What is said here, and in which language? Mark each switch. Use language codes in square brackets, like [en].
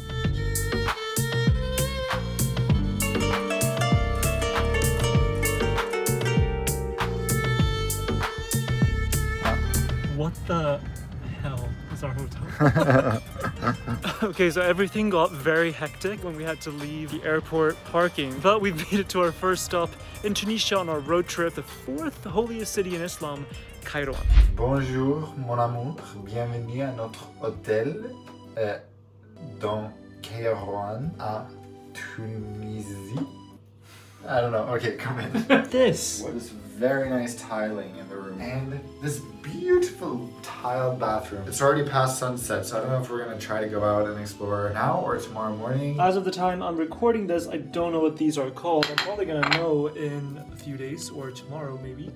[en] What the hell is our hotel? Okay, so everything got very hectic when we had to leave the airport parking, but we made it to our first stop in Tunisia on our road trip, the fourth holiest city in Islam, Kairouan. [fr] Bonjour, mon amour. Bienvenue à notre hôtel dans Kairouan, à Tunisie. [en] I don't know. Okay, come in. This. What is very nice tiling in the room. And this beautiful tiled bathroom. It's already past sunset, so I don't know if we're gonna try to go out and explore now or tomorrow morning. As of the time I'm recording this, I don't know what these are called. I'm probably gonna know in a few days or tomorrow maybe.